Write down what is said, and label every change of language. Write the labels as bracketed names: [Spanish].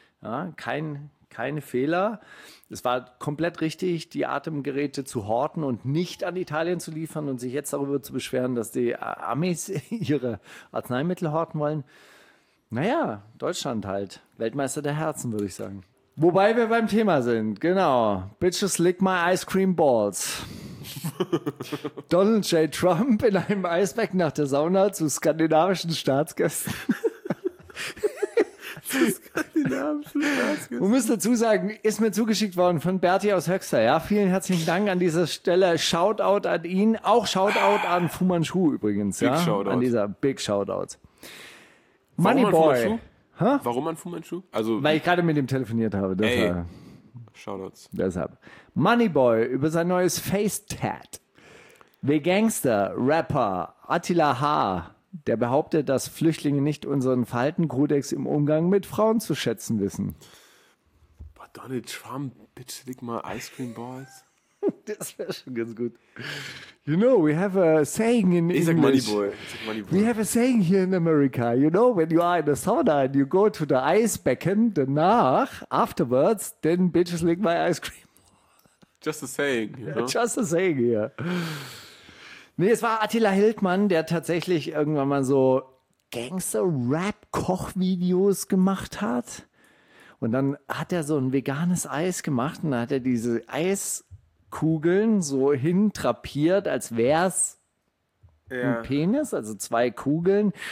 [German] Ja, keine Fehler. Es war komplett richtig, die Atemgeräte zu horten und nicht an Italien zu liefern und sich jetzt darüber zu beschweren, dass die Amis ihre Arzneimittel horten wollen. Naja, Deutschland halt. Weltmeister der Herzen, würde ich sagen. Wobei wir beim Thema sind, genau. [English] Bitches lick my ice cream balls. [German] Donald J. Trump in einem Eisbecken nach der Sauna zu skandinavischen Staatsgästen. Man muss dazu sagen, ist mir zugeschickt worden von Berti aus Höxter. Ja, vielen herzlichen Dank an dieser Stelle. Shoutout an ihn. Auch Shoutout an Fu Manchu übrigens. [English] Big [German] ja, [English] Shoutout. [German] An dieser Big Shoutout. Moneyboy. Warum an Fu Manchu? Also, weil ich gerade mit ihm telefoniert habe. Ey. Shoutouts. Deshalb. Moneyboy über sein neues Face-Tat. The Gangster, Rapper Attila H., der behauptet, dass Flüchtlinge nicht unseren Verhaltenskodex im Umgang mit Frauen zu schätzen wissen. Boah, Donald Trump, [English] bitch, lick [German] mal [English] Ice Cream Balls. [German] Das wäre schon ganz gut. [English] You know, we have a saying in [German] ich [English] English. [German] Sag Moneyboy. Ich sag Moneyboy. [English] We have a saying here in America. You know, when you are in a sauna and you go to the ice becken, [German] danach, [English] afterwards, then bitches lick my ice cream. Just a saying. You know? Just a saying here. [German] Nee, es war Attila Hildmann, der tatsächlich irgendwann mal so Gangster-Rap-Kochvideos gemacht hat. Und dann hat er so ein veganes Eis gemacht und dann hat er diese Eiskugeln so hintrapiert, als wär's ein Penis, also zwei Kugeln.